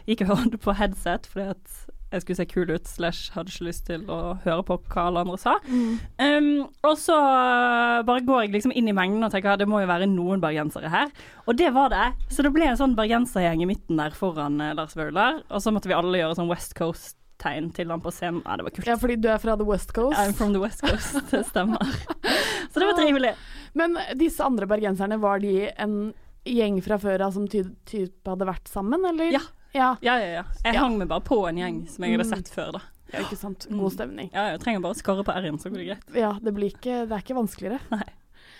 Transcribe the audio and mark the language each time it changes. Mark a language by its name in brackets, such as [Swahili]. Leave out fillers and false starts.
[Norwegian] Gikk og hørte på headset, fordi at... Jeg skulle se kul ut, slash hadde ikke lyst til å høre på hva alle andre sa. Og så bare går jeg liksom inn i mengden og tenker, det må jo være noen bergensere her. Og det var det. Så det ble en sånn bergensergjeng i midten der foran Lars Vøvler. Og så måtte vi alle gjøre sånn West Coast-tegn til han på scenen. Ja, det var kult. Ja, fordi du er fra The West Coast. [English] I'm from the West Coast, [Norwegian] det stemmer. Så det var trivelig. Men disse andre bergenserne, var de en gjeng fra før da, som typ hadde vært sammen, eller? Ja. Ja. Ja. Jeg hang meg bare på en gjeng som jeg hadde sett før da. Ja, ikke sant? God stemning. Ja, jeg trenger bare å skåre på R-en, så går det greit. Ja, det er ikke vanskeligere. Nei.